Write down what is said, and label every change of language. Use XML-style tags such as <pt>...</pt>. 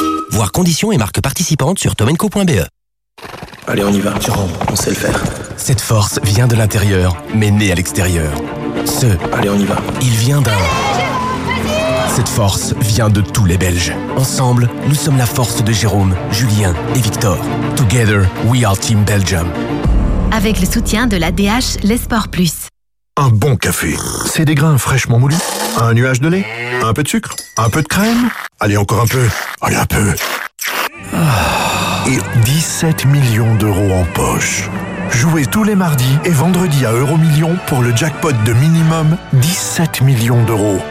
<fr>Voir conditions et marques participantes sur tom&co.be. Allez, on y va. Tu rentres, on sait le faire. Cette force vient de l'intérieur, mais née à l'extérieur. Ce... Allez, on y va. Il vient d'un... Allez, Jérôme, vas-y ! Cette force vient de tous les Belges. Ensemble, nous sommes la force de Jérôme, Julien et Victor.</fr> <en>Together, we are Team Belgium.</en> <fr>Avec le soutien de l'ADH, l'Espoir Plus. Un bon café, c'est des grains fraîchement moulus, un nuage de lait, un peu de sucre, un peu de crème. Allez, encore un peu. Allez, un peu. Et 17 millions d'euros en poche. Jouez tous les mardis et vendredis à Euromillion pour le jackpot de minimum 17 millions d'euros.</fr>